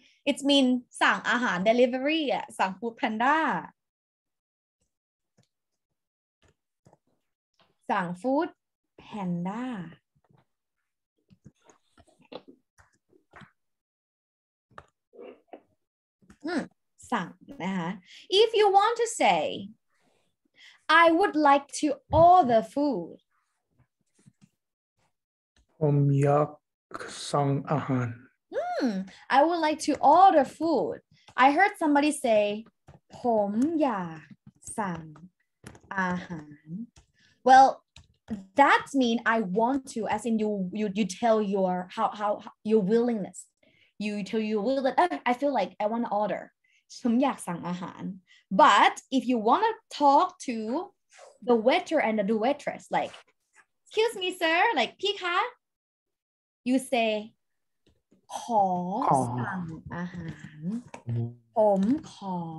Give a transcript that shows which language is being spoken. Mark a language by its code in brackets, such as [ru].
[en] It means [th] สั่งอาหาร delivery อ่ะสั่ง food panda สั่ง food panda สั่งนะคะ [en] If you want to say I would like to order food [th] ผมอยากสั่งอาหาร [en] I would like to order food. I heard somebody say, [th] ผมอยากสั่งอาหาร. [en] Well, that means I want to, as in you tell your how your willingness. You tell your willingness, I feel like I want to order. [th] ผมอยากสั่งอาหาร. [en] But if you want to talk to the waiter and the waitress, like, excuse me, sir, like, [th] พี่คะ, [en] you say, [th] ขอสั่งอาหารผมขอ